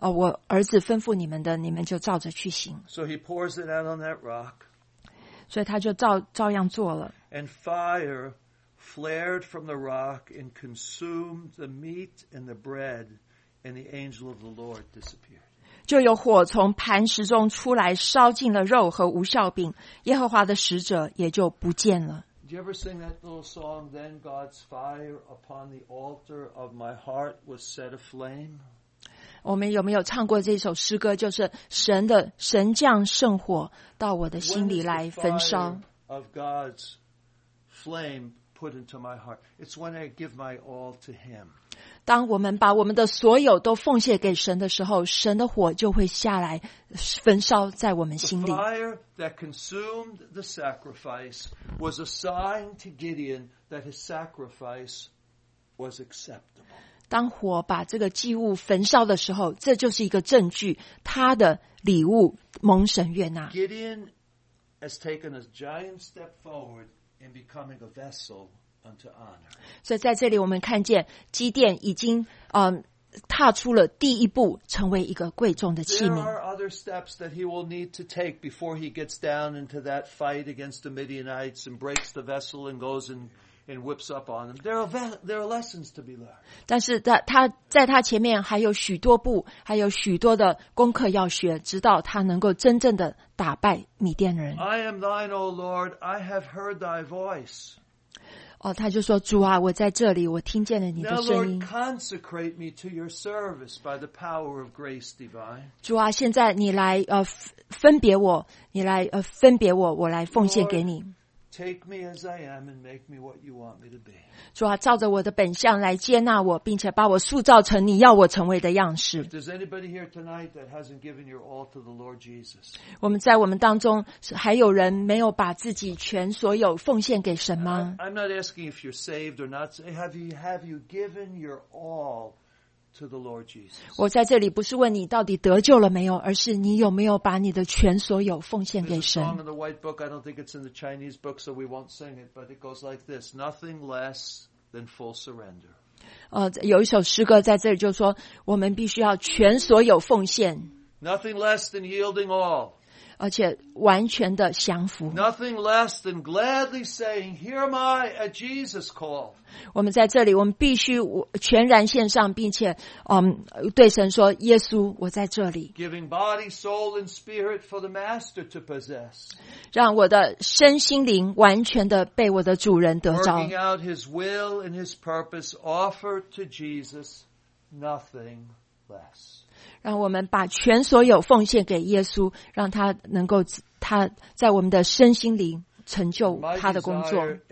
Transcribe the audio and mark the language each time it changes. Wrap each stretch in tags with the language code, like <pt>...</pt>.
<zh>就像耶稣的母亲玛利亚，她在迦南婚宴上告诉这些仆人，我儿子吩咐你们的，你们就照着去行。</zh> <en>So he pours it out on that rock.</en> <zh>所以他就照样做了。</zh> <en>And fire flared from the rock and consumed the meat and the bread. And the angel of the Lord disappeared.</en> <zh>就有火从磐石中出来, 烧尽了肉和无酵饼, 耶和华的使者也就不见了。</zh> <en>Did you ever sing that little song, Then God's fire upon the altar of my heart was set aflame?</en> <zh>我们有没有唱过这首诗歌, 就是神降圣火, 到我的心里来焚烧。</zh> <en>When is the fire of God's flame put into my heart? It's when I give my all to Him.</en> <zh>当我们把我们的所有都奉献给神的时候，神的火就会下来焚烧在我们心里。</zh> <en>The fire that consumed the sacrifice was a sign to Gideon that his sacrifice was acceptable.</en> <zh>当火把这个祭物焚烧的时候，这就是一个证据，他的礼物蒙神悦纳。</zh> <en>Gideon has taken a giant step forward in becoming a vessel unto honor.</en> <zh>所以在这里我们看见基甸已经踏出了第一步，成为一个贵重的器皿。</zh> <en>There are other steps that he will need to take before he gets down into that fight against the Midianites and breaks the vessel and goes and whips up on them. There are lessons to be learned.</en> <zh>但是他在他前面还有许多步，还有许多的功课要学，直到他能够真正的打败米甸人。</zh> <en>I am thine, O Lord. I have heard thy voice.</en> <zh>哦，他就说，主啊，我在这里，我听见了你的声音。</zh> <en>Now, Lord, consecrate me to your service by the power of grace divine.</en> <zh>主啊，现在你来分别我，你来分别我，我来奉献给你。</zh> <en>Lord, take me as I am and make me what you want me to be.</en> <zh>主啊，照着我的本相来接纳我，并且把我塑造成你要我成为的样式。</zh> <en>If there's anybody here tonight that hasn't given your all to the Lord Jesus,</en> <zh>我们在我们当中还有人没有把自己全所有奉献给神吗？</zh> <en>I'm not asking if you're saved or not. Have you given your all to the Lord Jesus?</en> <zh>我在这里不是问你到底得救了没有，而是你有没有把你的全所有奉献给神。</zh> <en>There's a song in the white book. I don't think it's in the Chinese book, so we won't sing it. But it goes like this: Nothing less than full surrender.</en> <zh>有一首诗歌在这里就说，我们必须要全所有奉献。</zh> <en>Nothing less than yielding all.</en> <zh>而且完全的降服。</zh> <en>Nothing less than gladly saying, "Here am I at Jesus' call."</en> <zh>我们在这里，我们必须全然献上，并且对神说，耶稣，我在这里。</zh> <en>Giving body, soul, and spirit for the master to possess.</en> <zh>让我的身心灵完全的被我的主人得着。</zh> <en>Working out his will and his purpose, offer to Jesus nothing less.</en> <zh>让我们把全所有奉献给耶稣，让他能够他在我们的身心灵成就他的工作。</zh>